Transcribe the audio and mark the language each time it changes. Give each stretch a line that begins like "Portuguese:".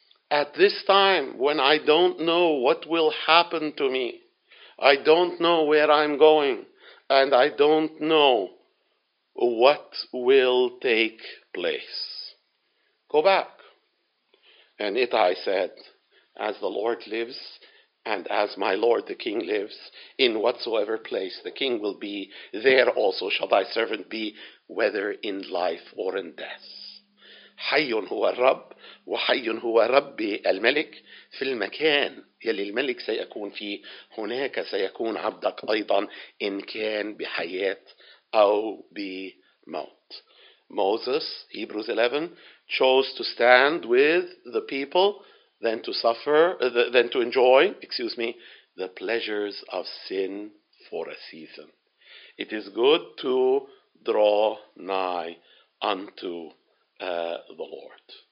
English: At this time, when I don't know what will happen to me, I don't know where I'm going, and I don't know what will take place. Go back." And Ittai said, "As the Lord lives, and as my Lord the King lives, in whatsoever place the King will be, there also shall thy servant be, whether in life or in death."
Arabic: حيٌ هو الرب وحيٌ هو ربي الملك في المكان يلي الملك سيكون فيه هناك سيكون عبدك أيضا إن كان بحياة أو بموت.
English: Moses, Hebrews 11, chose to stand with the people than to suffer, than to enjoy, the pleasures of sin for a season. It is good to draw nigh unto the Lord.